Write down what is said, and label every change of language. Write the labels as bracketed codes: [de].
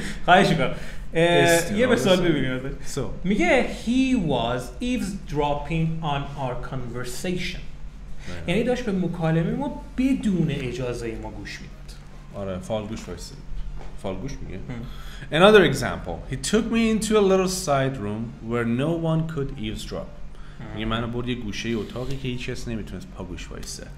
[fa] خواهش میکنم. یه مثال ببینیم. میگه [en] he was eavesdropping on our conversation. [fa] یعنی داشت به مکالمه ما بدون اجازه ما گوش میداد. آره فالگوش وایس دادن. فالگوش میگه. [en] Another example. He took me into a little side room where no one could eavesdrop. [fa] میگه منو برد یه گوشه ای اتاقی که هیچ کس نمیتونست پاگوش وایسه.